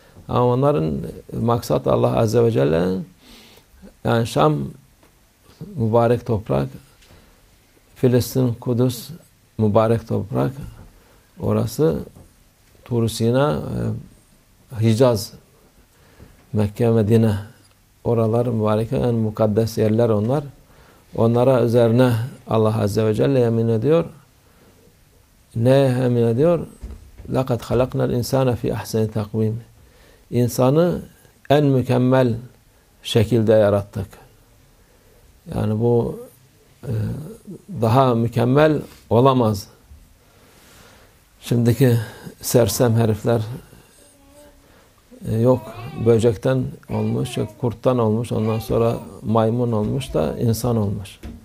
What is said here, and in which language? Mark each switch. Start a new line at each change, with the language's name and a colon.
Turkish: Ama onların maksat Allah Azze ve Celle, yani Şam mübarek toprak, Filistin, Kudüs mübarek toprak, orası Tur-i Sina, Hicaz, Mekke, Medine. Oralar mübarek, yani mukaddes yerler onlar. Onlara üzerine Allah Azze ve Celle yemin ediyor. Neye yemin ediyor?
Arabic: لَقَدْ خَلَقْنَا الْاِنْسَانَ فِي اَحْسَنِ تَقْوِيمِ
Turkish: İnsanı en mükemmel şekilde yarattık. Yani bu daha mükemmel olamaz. Şimdiki sersem herifler yok, böcekten olmuş, yok kurttan olmuş, ondan sonra maymun olmuş da insan olmuş.